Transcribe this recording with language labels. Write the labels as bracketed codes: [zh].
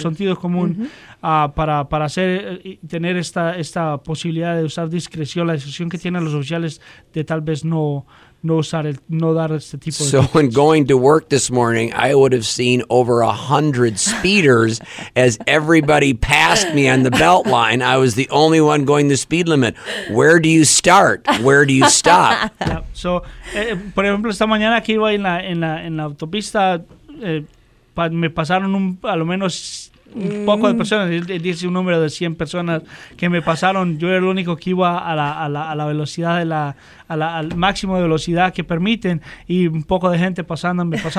[es] Sentido común, uh-huh, para hacer y tener esta posibilidad de usar discreción, la decisión que tienen los oficiales de tal vez no dar este tipo de. [en] So when going to work this morning, I would have seen over 100 speeders as everybody passed me on the belt line. I was the only one going the speed limit. Where do you start? Where do you stop? Yeah. [es] So, por ejemplo, esta mañana que iba en la autopista, me pasaron a lo menos un poco de personas, dice un número de 100 personas que me pasaron. Yo era el único que iba a la velocidad al máximo de velocidad que permiten, y un poco de gente pasándome.